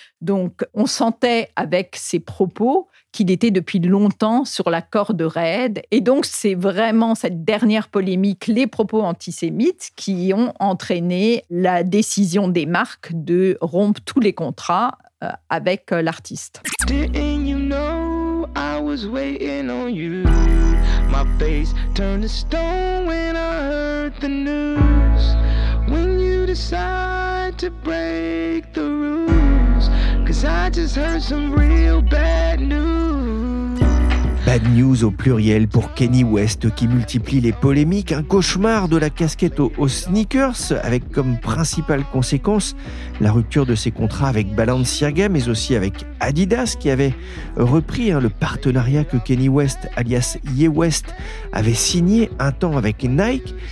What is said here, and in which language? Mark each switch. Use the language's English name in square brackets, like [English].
[French] Donc, on sentait avec ses propos qu'il était depuis longtemps sur la corde raide. Et donc, c'est vraiment cette dernière polémique, les propos antisémites, qui ont entraîné la décision des marques de rompre tous les contrats avec l'artiste. [English] Didn't you know I was waiting on you? My face turned to stone when I heard the news. When you decide to break the rules. 'Cause I just heard some real bad news. [French] Bad news au pluriel pour Kanye West qui multiplie les polémiques. Un cauchemar de la casquette aux sneakers avec comme principale conséquence la rupture de ses contrats avec Balenciaga mais aussi avec Adidas qui avait repris le partenariat que Kanye West alias Ye West avait signé un temps avec Nike.